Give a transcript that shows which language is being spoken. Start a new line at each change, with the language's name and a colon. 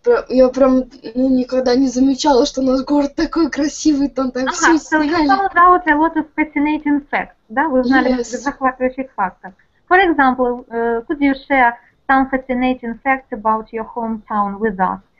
Russian: Я прям никогда не замечала, что у нас город такой красивый, там так все сняли.
English: So you found out a lot of fascinating facts, да?
Russian: Вы знали захватывающих фактов.
English: For example, could you share some fascinating facts about your hometown with us?